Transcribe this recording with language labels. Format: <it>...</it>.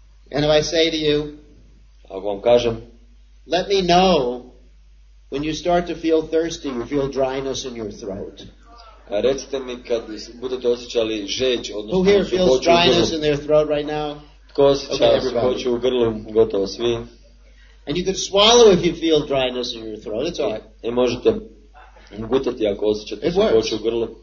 <en>And if I say to you,</en> <hr>ako vam kažem,</hr> <en>let me know when you start to feel thirsty, you feel dryness in your throat.</en> <hr>Recite mi kad budete osjećali žeđ, odnosno...</hr> <en>Who here feels dryness in their throat right now?</en> <hr>Tko osjeća suhoću u grlu, gotovo svi.</hr> <en>And you can swallow if you feel dryness in your throat. It's all right.</en> <hr>I možete gutati ako osjećate suhoću u grlu.</hr>